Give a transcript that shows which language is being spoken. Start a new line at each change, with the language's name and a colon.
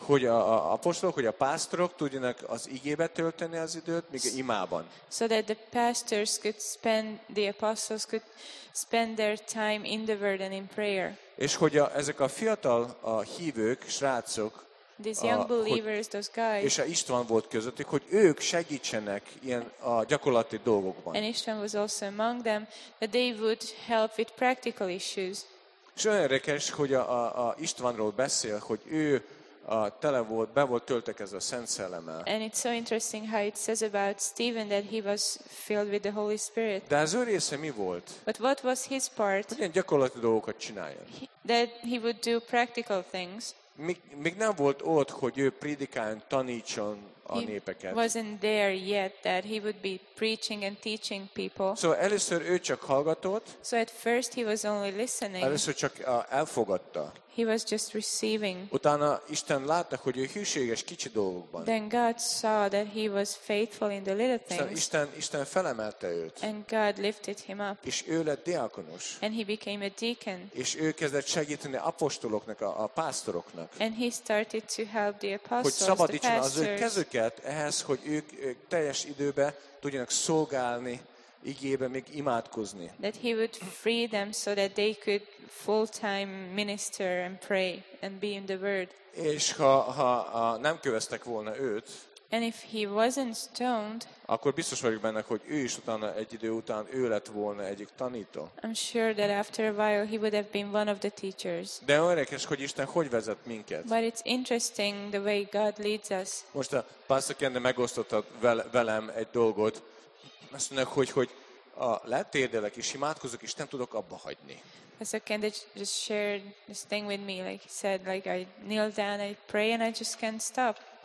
Hungarian: Hogy a apostolok, hogy a pásztorok tudjanak az igébe tölteni az időt, míg imában.
English: So that the pastors could spend, the apostles could spend their time in the word and in prayer.
Hungarian: És hogy ezek a fiatal hívők, srácok,
English: these young believers, those guys,
Hungarian: és a István volt közöttük, hogy ők segítsenek ilyen a gyakorlati dolgokban.
English: And István was also among them, that they would help with practical issues.
Hungarian: És olyan érdekes, hogy a Istvánról beszél, hogy ő tele volt, be volt töltekezve a Szent Szellemmel.
English: And it's so interesting how it says about Stephen that he was filled with the Holy Spirit.
Hungarian: De az ő része mi volt?
English: But what was his part?
Hungarian: Hogy ilyen gyakorlati dolgokat csináljon.
English: That he would do practical things.
Hungarian: Még nem volt ott, hogy ő prédikáljon, tanítson a népeket.
English: He wasn't there yet that he would be preaching and teaching people.
Hungarian: So először ő csak hallgatott.
English: So at first he was only listening.
Hungarian: Először csak elfogadta.
English: He was just receiving.
Hungarian: Utána Isten látta, hogy ő hűséges kicsi dolgokban.
English: Then God saw that he was faithful in the little things.
Hungarian: Szóval Isten felemelte őt.
English: And God lifted him up.
Hungarian: És ő lett diákonus.
English: And he became a deacon.
Hungarian: És ő kezdett segíteni apostoloknak, a pásztoroknak.
English: And he started to help the apostles, the pastors.
Hungarian: Hogy szabadítson az ő kezüket ehhez, hogy ők teljes időben tudjanak szolgálni igébe, még imádkozni.
English: That he would free them so that they could full-time minister and pray and be in the word.
Hungarian: És ha nem köveztek volna őt,
English: and if he wasn't stoned,
Hungarian: akkor biztos vagyok benne, hogy ő is utána egy idő után ő lett volna egyik tanító.
English: I'm sure that after a while he would have been one of the teachers.
Hungarian: De érdekes, hogy Isten hogy vezet minket.
English: But it's interesting the way God leads us.
Hungarian: Most a Pastor Kende megosztotta velem egy dolgot. Azt mondják, hogy a letérdelek és imádkozok, és nem tudok abba hagyni.
English: So can they just share this thing with me, like he said, like I kneel down, I pray, and I just can't stop.